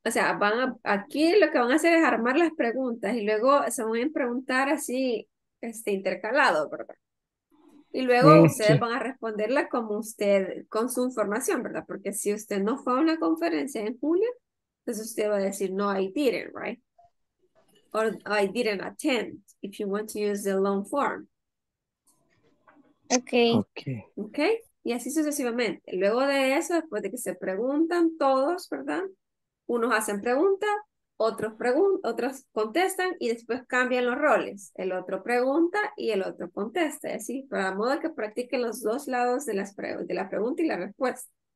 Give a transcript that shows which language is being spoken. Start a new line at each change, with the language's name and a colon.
Spanish: O sea, aquí lo que van a hacer es armar las preguntas y luego se van a preguntar así, intercalado, ¿verdad? Y luego ustedes van a responderla como usted, con su información, ¿verdad? Porque si usted no fue a una conferencia en julio, entonces pues usted va a decir, no,
English: I didn't, right? Or I didn't attend, if you want to use the long form. Okay.
Spanish: Y así sucesivamente. Luego de eso, después de que se preguntan todos, ¿verdad? Unos hacen preguntas, otros contestan y después cambian los roles. El otro pregunta y el otro contesta. Es decir, para modo que practiquen los dos lados de la pregunta y la respuesta.